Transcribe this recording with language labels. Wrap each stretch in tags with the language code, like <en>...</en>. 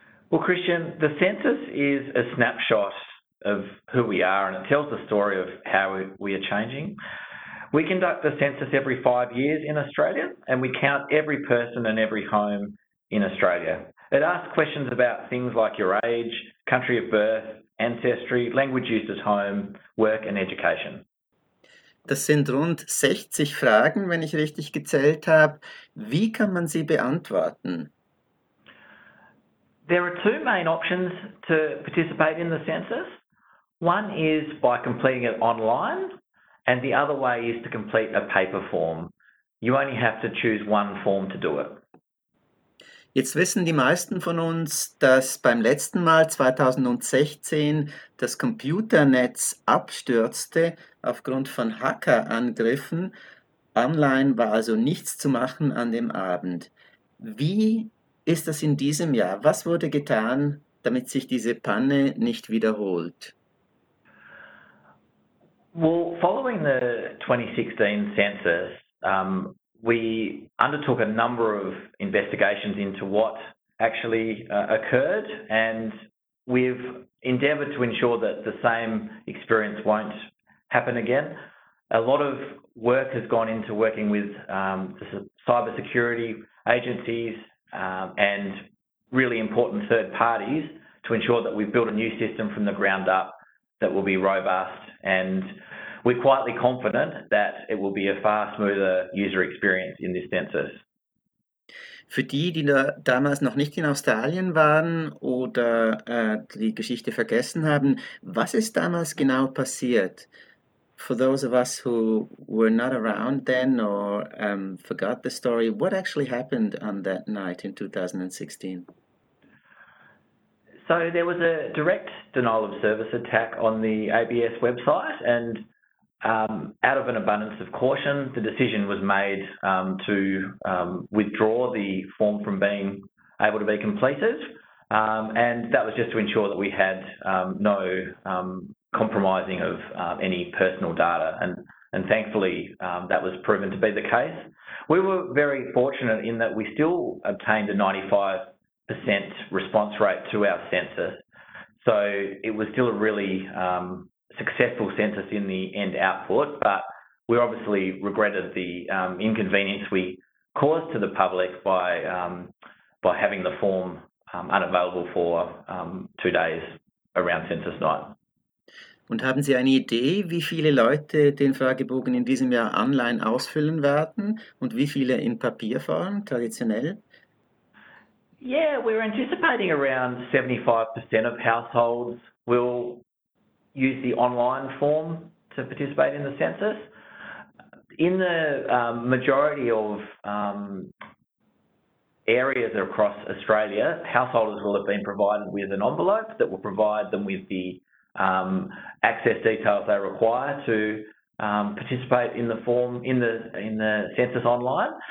<en>Well, Christian, the census is a snapshot of who we are and it tells the story of how we are changing. We conduct the census every 5 years in Australia and we count every person and every home in Australia. It asks questions about things like your age, country of birth, ancestry, language used at home, work and education.</en> <de>Das sind rund 60 Fragen, wenn ich richtig gezählt habe. Wie kann man sie beantworten?</de> <en>There are two main options to participate in the census. One is by completing it online, and the other way is to complete a paper form. You only have to choose one form to do it.</en> <de>Jetzt wissen die meisten von uns, dass beim letzten Mal 2016 das Computernetz abstürzte aufgrund von Hackerangriffen. Online war also nichts zu machen an dem Abend. Wie ist das in diesem Jahr? Was wurde getan, damit sich diese Panne nicht wiederholt?</de> <en>Well, following the 2016 census, we undertook a number of investigations into what actually occurred, and we've endeavoured to ensure that the same experience won't happen again. A lot of work has gone into working with cybersecurity agencies and really important third parties to ensure that we've built a new system from the ground up that will be robust, and we're quietly confident that it will be a far smoother user experience in this census.</en> <de>Für die, die damals noch nicht in Australien waren oder die Geschichte vergessen haben, was ist damals genau passiert?</de> <en>For those of us who were not around then or forgot the story, what actually happened on that night in 2016? So there was a direct denial of service attack on the ABS website, and out of an abundance of caution, the decision was made to withdraw the form from being able to be completed. And that was just to ensure that we had no compromising of any personal data. And thankfully, that was proven to be the case. We were very fortunate in that we still obtained a 95% response rate to our census. So it was still a really successful census in the end output, but we obviously regretted the inconvenience we caused to the public by having the form unavailable for 2 days around census night.</en> <de>Und haben Sie eine Idee, wie viele Leute den Fragebogen in diesem Jahr online ausfüllen werden und wie viele in Papierform traditionell?</de> <en>Yeah, we're anticipating around 75% of households will use the online form to participate in the census. In the majority of areas across Australia, householders will have been provided with an envelope that will provide them with the access details they require to participate in the form in the census online.</en>